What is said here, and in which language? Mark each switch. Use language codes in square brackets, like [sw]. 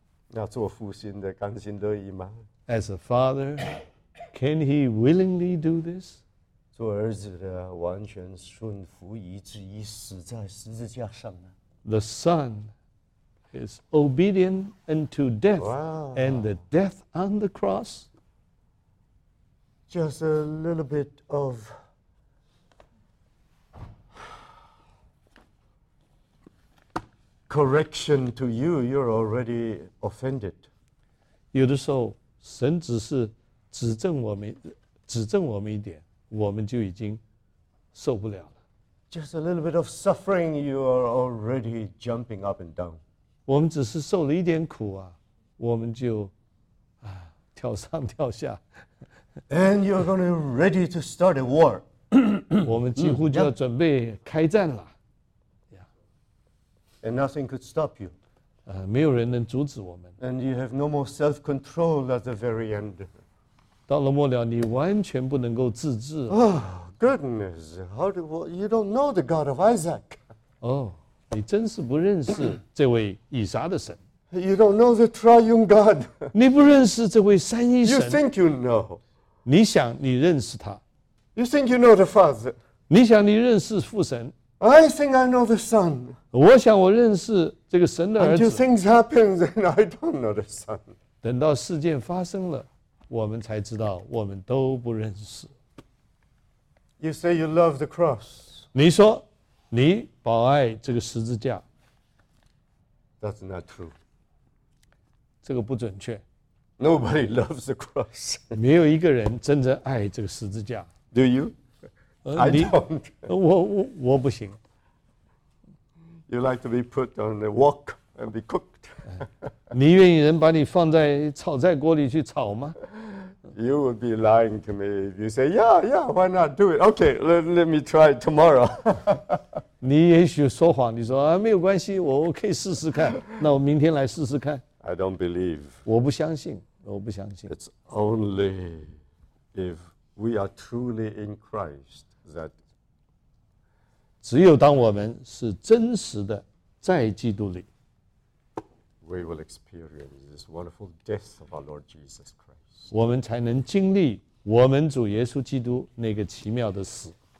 [zh] 要做父亲的，甘心乐意吗 [en] ？As a father, can he willingly do this? [zh] 做儿子的，完全顺服以至于死在十字架上呢 [en] ？The son is obedient unto death, wow. and the death on the cross. Just a little bit of. Correction to you, you're already offended. [zh] 有的时候，神只是指正我们，指正我们一点，我们就已经受不了了。 [en] Just a little bit of suffering, you are already jumping up and down. [zh] 我们只是受了一点苦啊，我们就啊跳上跳下。 [en] And you're going to be ready to start a war. [zh] 我们几乎就要准备开战了。 [en] And nothing could stop you. [zh] 没有人能阻止我们。 [en] And you have no more self-control at the very end. [zh] 到了末了，你完全不能够自制。 [en] Oh, goodness! How do you don't know the God of Isaac? [zh] 哦，你真是不认识这位以撒的神。 [en] You don't know the Triune God. [zh] 你不认识这位三一神。 [en] You think you know? [zh] 你想你认识他。 [en] You think you know the Father? [zh] 你想你认识父神。 [en] I think I know the Son. [zh] 我想我认识这个神的儿子。 [en] Until things happen, then I don't know the Son. [zh] 等到事件发生了，我们才知道我们都不认识。 [en] You say you love the cross. [zh] 你说你保爱这个十字架。 [en] That's not true. [zh] 这个不准确。 [en] Nobody loves the cross. [zh] 没有一个人真正爱这个十字架。 [en] Do you? I don't. [zh] 我不行。 [en] You like to be put on the wok and be cooked. [zh] 你愿意人把你放在炒在锅里去炒吗 [en] ？You would be lying to me if you say, "Yeah, yeah, why not do it? Okay, let me try it tomorrow." [zh] 你也许说谎，你说啊，没有关系，我可以试试看。那我明天来试试看。 [en] I don't believe. [zh] 我不相信，我不相信。 [en] It's only if. We are truly in Christ. That [zh] 只有当我们是真实的在基督里 [en] ，we will experience this wonderful death of our Lord Jesus Christ. [zh] 我们才能经历我们主耶稣基督那个奇妙的死。